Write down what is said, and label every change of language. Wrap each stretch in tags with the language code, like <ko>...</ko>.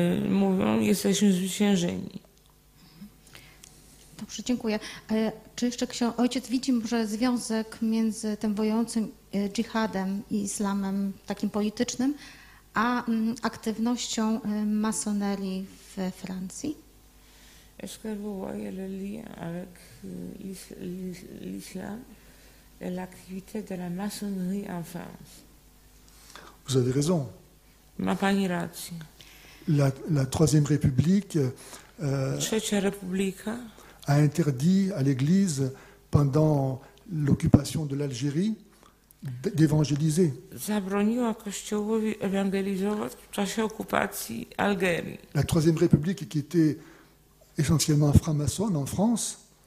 <pl>Mówią, jesteśmy zwyciężeni. Dobrze, dziękuję. Czy jeszcze ojciec widzi może związek między tym wojącym dżihadem i islamem takim politycznym, a aktywnością masonerii we Francji?</pl> <fr>Est-ce que vous voyez le lien avec l'islam et l'activité de la maçonnerie en France? Vous avez raison.</fr> <pl>Ma pani rację.</pl> <fr>La Troisième République.</fr> <pl>Trzecia Republika.</pl> <fr>A interdit à l'Église pendant l'occupation de l'Algérie d'évangéliser.</fr> <pl>Zabroniła kościołowi ewangelizować w czasie okupacji Algerii.</pl> <fr>La Troisième République, qui était essentiellement franc-maçonne en France.</fr>